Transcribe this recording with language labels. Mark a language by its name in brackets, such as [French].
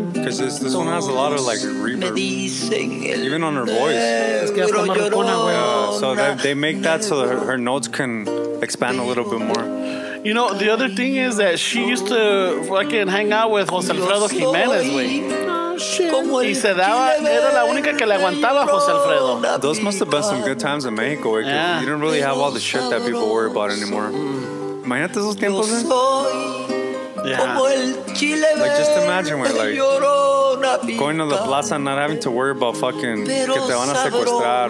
[English] Because this one has a lot of like reverb. [Spanish] Me dicen el [English] even on her voice. [Spanish] Es que hasta marrucona, güey. [English] So they make that so that her notes can expand a little bit more. You know, the other thing is that she used to fucking hang out with José Alfredo Jiménez, güey. [Spanish] Y se daba, era la única que le aguantaba José Alfredo. [English] Those must have been some good times in Mexico, güey. Yeah. You don't really have all the shit that people worry about anymore. [Spanish] Imagínate esos tiempos, güey. [English] Yeah. Like, just imagine, we're like going to the plaza and not having to worry about fucking [Spanish] pero que te van a secuestrar.